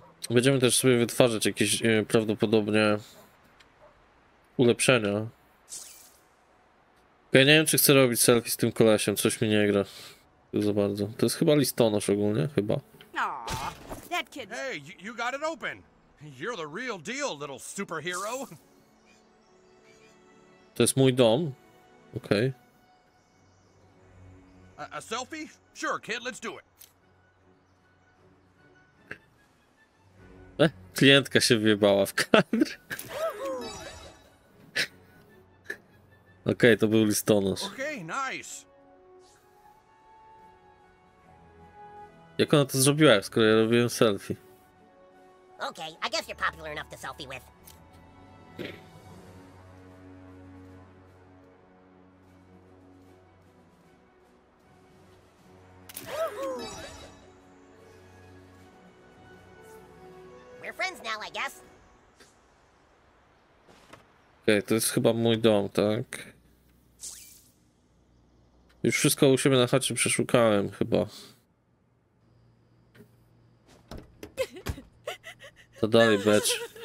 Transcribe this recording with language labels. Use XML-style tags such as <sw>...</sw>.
<pl>Będziemy też sobie wytwarzać jakieś prawdopodobnie ulepszenia. Ja nie wiem, czy chcę robić selfie z tym kolesiem, coś mi nie gra za bardzo. To jest chyba listonosz ogólnie, chyba.</pl> <en>Hey, you got it open. You're the real deal, little superhero.</en> <pl>To jest mój dom. Okay.</pl> <en>A selfie? Sure, kid, let's do it.</en> <pl>Klientka się wjebała w kadr. Okay, to był listonosz. Okay, nice. Jak ona to zrobiła, skoro ja robiłem selfie?</pl> <en>Okay, I guess you're popular enough to selfie with. We're friends now, I guess.</en> <pl>Okay, to jest chyba mój dom, tak? Już wszystko u siebie na chacie przeszukałem chyba. To dalej, becz.</pl>